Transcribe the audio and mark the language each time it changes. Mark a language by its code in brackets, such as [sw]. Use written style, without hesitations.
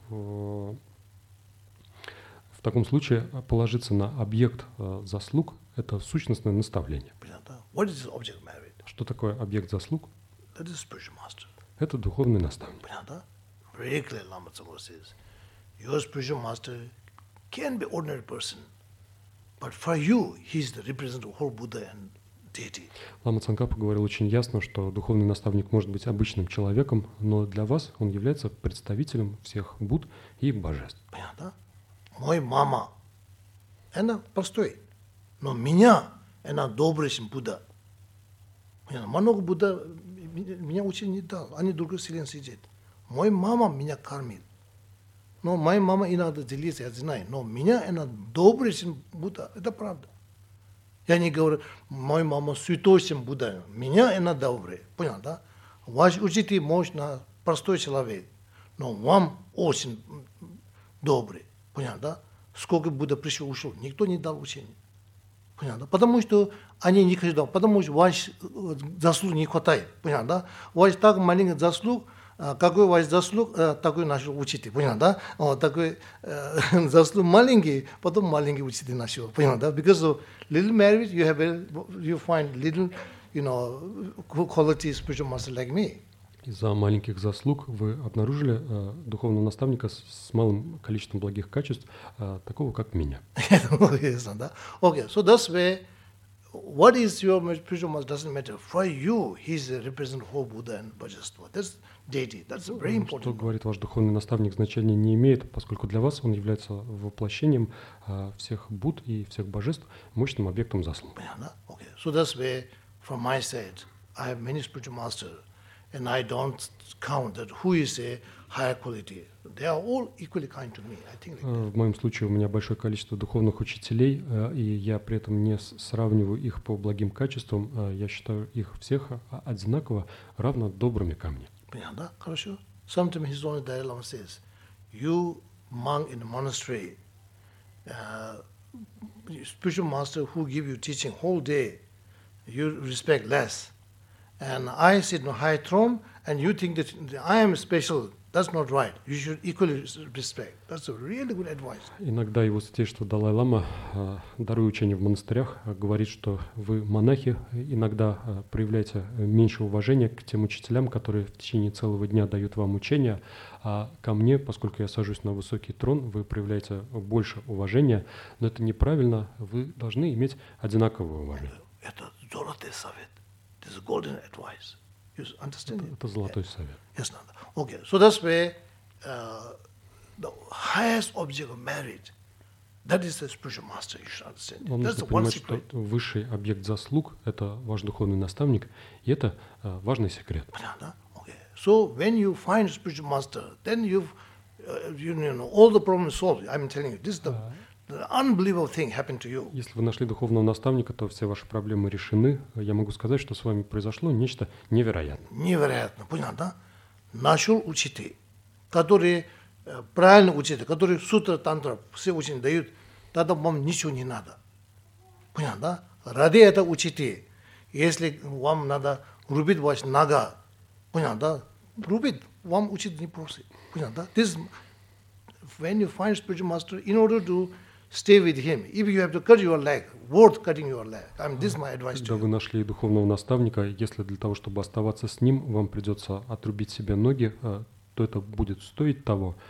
[ru] в таком случае положиться на объект заслуг — это сущностное наставление. [en] What is the object of merit? [ru] Что такое объект заслуг? [en] That is spiritual master. [ru] Это духовный наставник. Понятно? [en] Very clear, Lama Tsongkhapa says, your spiritual master can be ordinary person, but for you, he is the representative of whole Buddha and deity. [ru] Лама Цанкапа говорил очень ясно, что духовный наставник может быть обычным человеком, но для вас он является представителем всех Будд и божеств. Понятно? Мой мама, она простой, но меня, она добрая, чем Будда. Много Будда меня учили не дал, они в другой вселенной сидят. Мой мама меня кормит. Но моя мама иногда делится, я знаю. Но меня она добрый, чем Будда. Это правда. Я не говорю, моя мама святой, чем Будда. Меня она добрый. Понял, да? Ваш учитель может на простой человек. Но вам очень добрый. Понял, да? Сколько Будда пришел, ушел. Никто не дал учения. Понял, да? Потому что они не хотят. Потому что ваш заслуг не хватает. Понял, да? Ваш так маленький заслуг... Какой у вас заслуг, такой начал учитель, понял, да? Вот такой заслуг маленький, потом маленький учитель начал, понял, да? [en] Because of little merit, you find little, you know, quality spiritual master like me. [ru] Из-за маленьких заслуг вы обнаружили духовного наставника с малым количеством благих качеств, такого как меня. Ясно, да? [en] Okay, so that's where, what is your spiritual master doesn't matter. For you, he's a representative of whole Buddha and Bodhisattva. That's deity. That's very important. [ru] Что говорит ваш духовный наставник, значения не имеет, поскольку для вас он является воплощением всех Будд и всех божеств, мощным объектом заслуг. [en] Okay. So that's where, from my side, I have many spiritual masters, and I don't count that who is a higher quality. They are all equally kind to me. I think. [ru] В моем случае у меня большое количество духовных учителей, и я при этом не сравниваю их по благим качествам. Я считаю их всех одинаково равно добрыми ко мне. Понятно, да? Хорошо. [en] Sometimes his own Dalai Lama says, you monk in the monastery, spiritual master who give you teaching whole day, you respect less. And I sit on high throne, and you think that I am special. That's not right. You should equally respect. That's a really good advice. [ru] Иногда его святейшество Далай Лама, даруя учение в монастырях, говорит, что вы, монахи, иногда проявляете меньше уважения к тем учителям, которые в течение целого дня дают вам учение, а ко мне, поскольку я сажусь на высокий трон, вы проявляете больше уважения. Но это неправильно. Вы должны иметь одинаковое уважение. Это золотой совет. [en] This is golden advice. You understand? [ru] Это золотой совет. [en] Yes, not. Okay, so that's where the highest object of merit, that is the spiritual master, you should understand. [ru] Вам нужно понимать, что высший объект заслуг – это ваш духовный наставник, и это важный секрет. Понятно? Okay. [en] So when you find spiritual master, then you know, all the problems solved. I'm telling you, this is the unbelievable thing happened to you. [ru] Если вы нашли духовного наставника, то все ваши проблемы решены. Я могу сказать, что с вами произошло нечто невероятное. Невероятно, понятно, да? Нашел учитель, который правильно учит, который сутра, тантра, все учения дают, тогда вам ничего не надо. Понятно, да? Ради этого учитель, если вам надо рубить ваш нога, понятно, да? Рубить, вам учитель не просит. Понятно, да? [en] This, when you find spiritual master, in order to stay with him, if you have to cut your leg, worth cutting your leg. I mean, this is my advice to you. [ru] Когда вы нашли духовного наставника, если для того, чтобы оставаться с ним, вам придется отрубить себе ноги, то это будет стоить того.